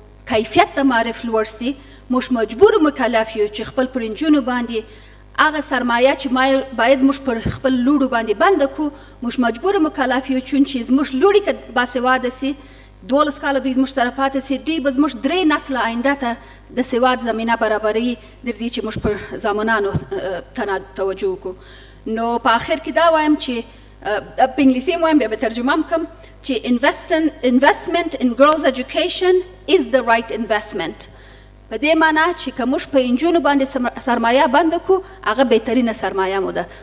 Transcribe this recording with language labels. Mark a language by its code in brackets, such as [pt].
[ps] کیفیت ته معرف لوړ سي موږ مجبور مکلف یو چې خپل پر انجونو باندې هغه سرمایه چې ما باید موږ پر خپل لوړو باندې بند کړو موږ مجبور مکلف یو چون چې زموږ لوړې که باسواده سي 12 کاله دوی زموږ سره پاتې سي دوی به زموږ 3 نسله آینده ته د سواد زمینه برابروي در دې چې موږ پر زامنانو تنا توجه وکړو. نو په آخر کې دا وایم چې په انګلیسي هم وایم بیا به ترجمه هم کوم چې [en] investment in girls education is the right investment. [ps] په دې معنی چې کومش په انجونو باندې سرمایه بند کو هغه بهترینه سرمایه مو ده.